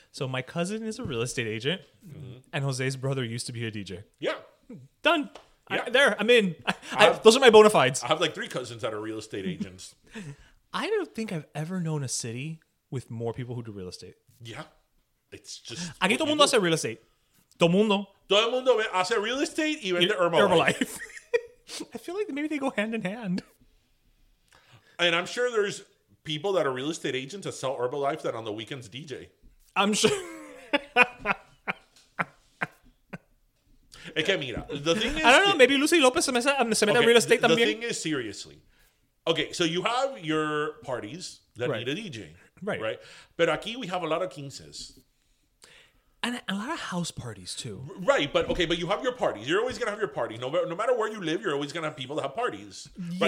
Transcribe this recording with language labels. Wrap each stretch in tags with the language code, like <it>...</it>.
<en>So my cousin is a real estate agent, mm-hmm. and Jose's brother used to be a DJ. Yeah. Done. Yeah. I'm in. Those are my bona fides. I have like three cousins that are real estate agents. I don't think I've ever known a city with more people who do real estate. Yeah. It's just...</en> <es>Aquí todo el mundo hace real estate. Todo el mundo hace real estate y vende Herbalife.</es> <en>I feel like maybe they go hand in hand. And I'm sure there's people that are real estate agents that sell Herbalife that on the weekends DJ. I'm sure.</en> <es>Es que mira,</es> <en>the thing is... I don't know.</en> <es>Maybe Lucy Lopez se mete real estate también.</es> <en>The thing is, seriously. Okay, so you have your parties that need a DJ. Right. Right.</en> <es>Pero aquí</es> <en>we have a lot of quinces. And a lot of house parties, too. Right. But okay, but you have your parties. You're always going to have your party. No matter where you live, you're always going to have people that have parties. Right.</en>